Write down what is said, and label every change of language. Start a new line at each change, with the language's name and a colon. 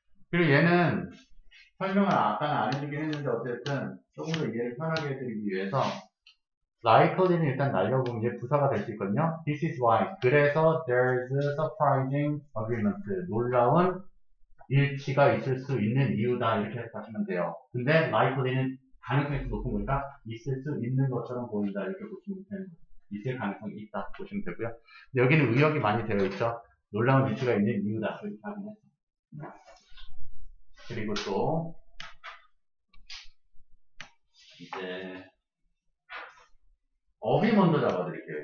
Korean: 그리고 얘는 설명을 아까는 안 해주긴 했는데 어쨌든 조금 더 이해를 편하게 해드리기 위해서 likely는 일단 날려보면 이제 부사가 될수 있거든요.
English: This is why.
Korean: 그래서 there's a surprising agreement. 놀라운 일치가 있을 수 있는 이유다. 이렇게 하시면 돼요. 근데 likely는 가능성이 높은 거니까 있을 수 있는 것처럼 보인다. 이렇게 보시면 되는 거예요. 있을 가능성이 있다. 보시면 되고요. 여기는 의역이 많이 되어 있죠. 놀라운 일치가 있는 이유다. 이렇게 하면 됩니다. 그리고 또 이제 어휘 먼저 잡아드릴게요.